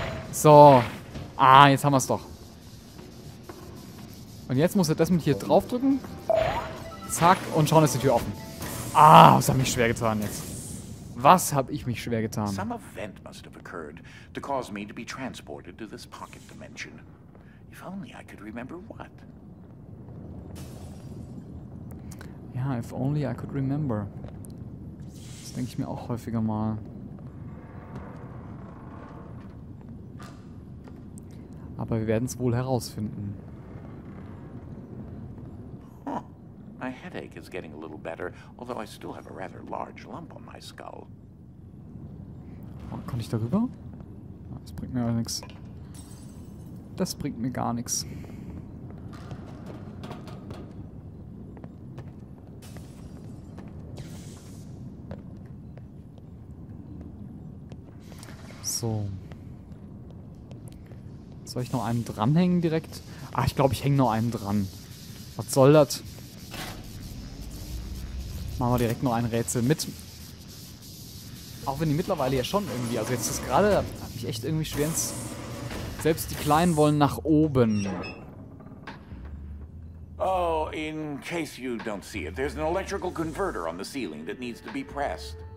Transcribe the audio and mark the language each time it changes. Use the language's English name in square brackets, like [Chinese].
[German] So. Ah, jetzt haben wir es doch. Und jetzt muss er das mit hier draufdrücken. Zack. Und schon ist die Tür offen. Ah, was hat mich schwer getan jetzt? Was habe ich mich schwer getan? [English] Some event must have occurred to cause me to be transported to this pocket dimension. If only I could remember what. Ja, if only I could remember. [German] Denke ich mir auch häufiger mal. Aber wir werden es wohl herausfinden. Huh. [English] My headache is getting a little better, although I still have a rather large lump on my skull. [German] Oh, kann ich darüber? Das bringt mir gar nichts. Das bringt mir gar nichts. So. Soll ich noch einen dranhängen direkt? Ah, ich glaube, ich hänge noch einen dran. Was soll das? Machen wir direkt noch ein Rätsel mit. Auch wenn die mittlerweile ja schon irgendwie... Also jetzt ist gerade... Hab ich echt irgendwie schwer ins... Selbst die Kleinen wollen nach oben. [English] Oh, in case you don't see it, there's an electrical converter on the ceiling that needs to be pressed.